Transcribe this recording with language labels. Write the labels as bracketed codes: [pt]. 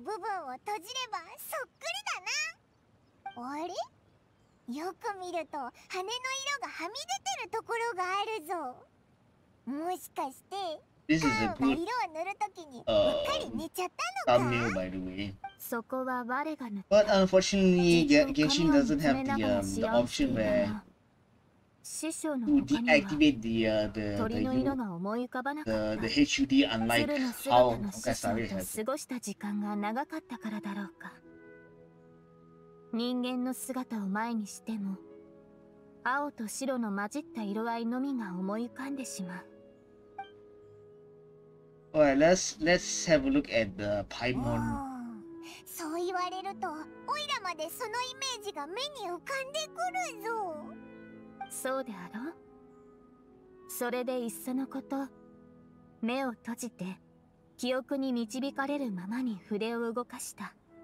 [ja] 尾の部分を閉じればそっくりだな。あれ？よく見ると羽の色がはみ出てるところがあるぞ。もしかしてカウが色を塗るときにうっかり寝ちゃったのか？そこは我が塗った。 [en] But unfortunately, Genshin doesn't have the option where to deactivate the HUD, unlike how Okasari has. [ja] 過ごした時間が長かったからだろうか。人間の姿を前にしても、青と白の混じった色合いのみが思い浮かんでしまう。 [en] Alright, let's have a look at the Paimon. [ja] そう言われると、オイラまでそのイメージが目に浮かんでくるぞ。そうであろう。それでいっそのこと、目を閉じて、記憶に導かれるままに筆を動かした。